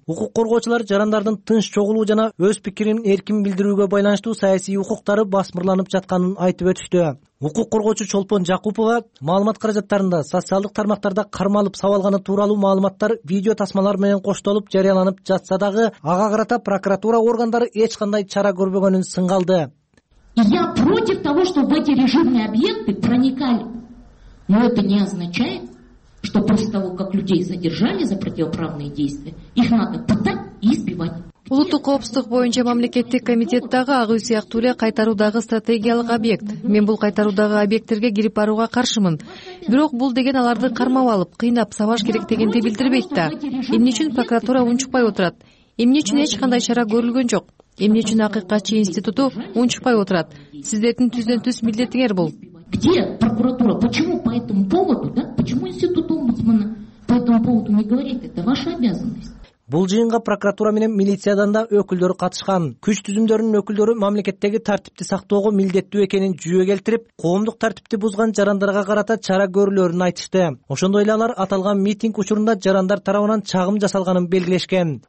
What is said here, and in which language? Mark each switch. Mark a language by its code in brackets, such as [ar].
[ky] Укук коргоочулар жарандардын тынч чогулуу жана өз пикирин эркин билдирүүгө байланыштуу саясий укуктары басмырланып жатканын айтып өтүштү. Укук коргоочу Чолпон Жакупова маалымат каражаттарында социалдык тармактарда кармалып сабалганы тууралуу маалыматтар видео тасмалар менен коштолуп жарыяланып жатса дагы, ага карата прокуратура органдары эч кандай чара көрбөгөнүн сынга алды. [ru] Я против того, чтобы в эти режимные объекты проникали. Но это не означает, что после того, как людей задержали за противоправные действия, их надо пытать и избивать. [ky] Улуттук коопсуздук боюнча мамлекеттик комитеттеги ак үй сыяктуу эле кайтаруудагы стратегиялык объект. Мен бул кайтаруудагы объекттерге кирип барууга каршымын. Бирок бул деген аларды кармап алып, кыйнап сабаш керек дегенди билдирбейт да. Эмне үчүн прокуратура унчукпай отурат? Эмне үчүн эч кандай чара көрүлгөн жок? Эмне үчүн акыйкатчы институту унчукпай отурат? Сиздердин түздөн-түз милдетиңер бул. [ru] Где прокуратура? Почему по этому поводу, да? Почему институт омбудсмана по этому поводу не говорит? Это ваша обязанность. [ky] Бул жыйынга прокуратура менен милициядан да өкүлдөрү катышкан. Күч түзүмдөрүнүн өкүлдөрү мамлекеттеги тартипти сактоого милдеттүү экенин жүйө келтирип, коомдук тартипти бузган жарандарга карата чара көрүлөрүн айтышты. Ошондой эле алар аталган митинг учурунда жарандар тарабынан чагым жасалганын белгилешкен.